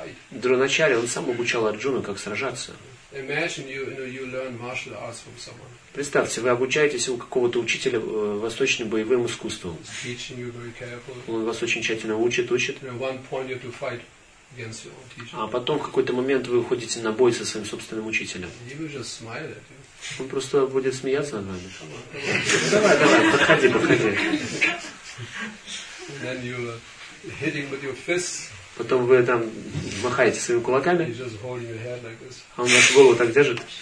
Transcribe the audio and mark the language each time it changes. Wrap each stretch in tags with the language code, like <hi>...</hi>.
<ru>Дроначарья, он сам обучал Арджуну, как сражаться.</ru> <en>Imagine you learn martial arts from someone.</en> <ru>Представьте, вы обучаетесь у какого-то учителя восточным боевым искусствам.</ru> <en>He's teaching you very carefully.</en> <ru>Он вас очень тщательно учит.</ru> <en>And at one point you have to fight against your own teacher.</en> <ru>А потом в какой-то момент вы уходите на бой со своим собственным учителем.</ru> <en>He will just smile at you.</en> <ru>Он просто будет смеяться над вами. Давай, подходи.</ru> <en>And then you hit him with your fists.</en> <ru>Потом вы там махаете своими кулаками, а он вашу голову так держит.</ru>